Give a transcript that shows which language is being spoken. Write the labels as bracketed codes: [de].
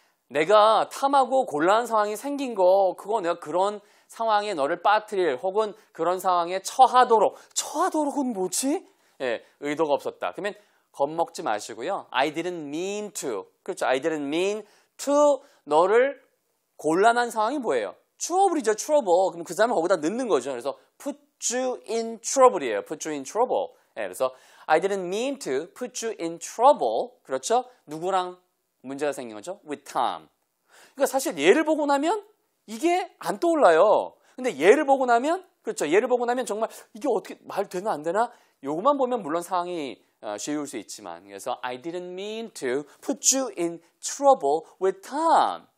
[ko] 내가 탐하고 곤란한 상황이 생긴 거, 그거 내가 그런 상황에 너를 빠뜨릴 혹은 그런 상황에 처하도록, 처하도록은 뭐지? 예, 의도가 없었다. 그러면 겁먹지 마시고요. [en] I didn't mean to. [ko] 그렇죠. I didn't mean to 너를 곤란한 상황이 뭐예요? Trouble이죠. Trouble. 그럼 그 사람을 거기다 넣는 거죠. [en] 그래서 put you in trouble이에요. Put you in trouble. 예, 그래서 I didn't mean to put you in trouble. [ko] 그렇죠? 누구랑 문제가 생긴 거죠? [en] With Tom. [ko] 그러니까 사실 얘를 보고 나면 이게 안 떠올라요. 근데 얘를 보고 나면, 그렇죠. 얘를 보고 나면 정말 이게 어떻게 말 되나 안 되나? 요것만 보면 물론 상황이 쉬울 수 있지만, 그래서 [en] I didn't mean to put you in trouble with Tom.